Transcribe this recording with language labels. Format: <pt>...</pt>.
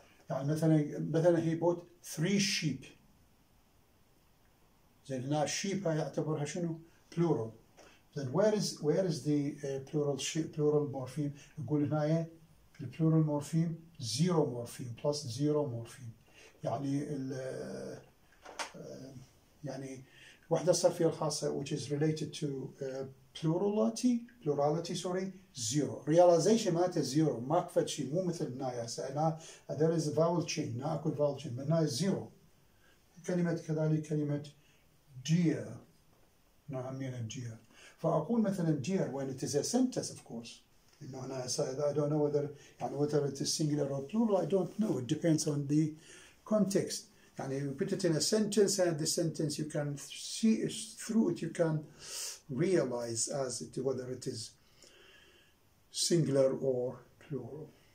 <ar>يعني مثلا</ar> <en>he bought three sheep.</en> <ar>زين هنا sheep يعتبرها شنو؟ plural.</ar> <en>Then where is the plural sheep, plural morpheme؟ نقول هنا the plural morpheme zero morpheme plus zero morpheme.</en> <ar>يعني يعني وحدة صرفية خاصة</ar> <en>which is related to plurality zero. Realization مالته zero.</en> <ar>ما أكفت شيء مو مثل هنا هسا هنا</ar> <en>there is a vowel chain.</en> <ar>هنا أكو vowel chain. هنا zero. كلمة كذلك كلمة dear. نعم يعني dear. فأقول مثلا</ar> <en>dear when it is a sentence of course.</en> <ar>إنه أنا أسأل,</ar> <en>I don't know whether,</en> <ar>يعني</ar> <en>whether it is singular or plural, I don't know. It depends on the context.</en> <ar>يعني</ar> <en>you put it in a sentence and the sentence you can see through it, you can realize as it, whether it is singular or plural.</en>